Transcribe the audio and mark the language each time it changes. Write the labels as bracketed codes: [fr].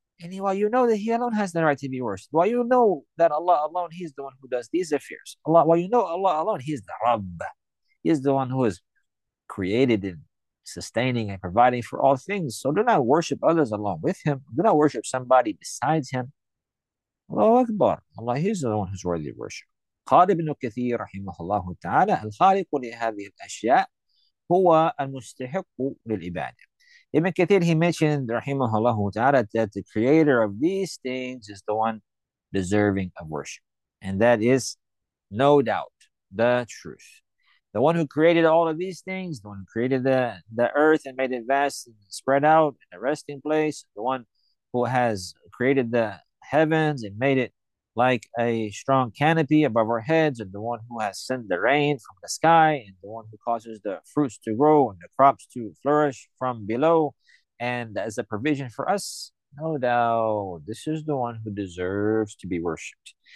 [en] And while you know that He alone has the right to be worshipped. While you know that Allah alone, He's the one who does these affairs. Allah, while you know Allah alone, He's the Rabb. He's the one who has created and sustaining and providing for all things. So do not worship others along with Him. Do not worship somebody besides Him. Allahu Akbar. Allah, He's the one who's worthy of worship. [ar] قال ابن كثير رحمه الله تعالى الخالق لهذه الأشياء هو المستحق للعبادة. [en] Ibn Kathir, he mentioned [ar] رحمه الله تعالى [en] that the creator of these things is the one deserving of worship. And that is no doubt the truth. The one who created all of these things, the one who created the earth and made it vast and spread out in a resting place, the one who has created the heavens and made it like a strong canopy above our heads, and the one who has sent the rain from the sky, and the one who causes the fruits to grow and the crops to flourish from below, and as a provision for us, no doubt, this is the one who deserves to be worshipped.